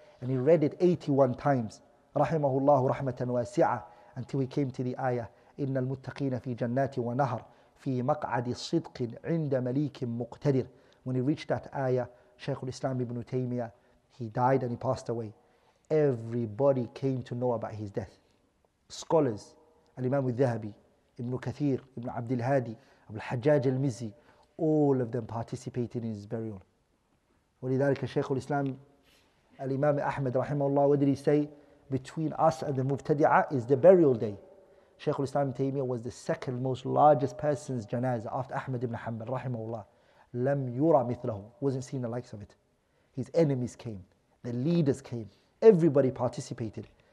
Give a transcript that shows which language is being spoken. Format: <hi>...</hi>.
<en>And he read it 81 times.</en> <ar>رَحِمَهُ اللَّهُ رَحْمَةً وَاسِعَةً</ar> <en>Until he came to the ayah,</en> <ar>إِنَّ الْمُتَّقِينَ فِي جَنَّاتِ وَنَهَرٍ فِي مَقْعَدِ صِدْقٍ عِنْدَ مَلِيكٍ مُقْتَدِرٍ</ar> <en>When he reached that ayah, Shaykh al-Islam ibn Taymiyyah, he died and he passed away. Everybody came to know about his death. Scholars, Al-Imam al-Dhahabi, Ibn Kathir, Ibn Abd al-Hadi, Abu al-Hajjaj al-Mizzi, all of them participated in his burial.</en> <ar>ولذلك شيخ الإسلام الإمام أحمد رحمه الله,</ar> <en>what did he say? Between us and the Mubtadi'a is the burial day. Shaykh al-Islam ibn Taymiyyah was the second most largest person's janazah after Ahmad ibn Hanbal رحمه الله.</en> <ar>لم يرى مثله,</ar> <en>wasn't seen the likes of it. His enemies came, the leaders came, everybody participated.</en>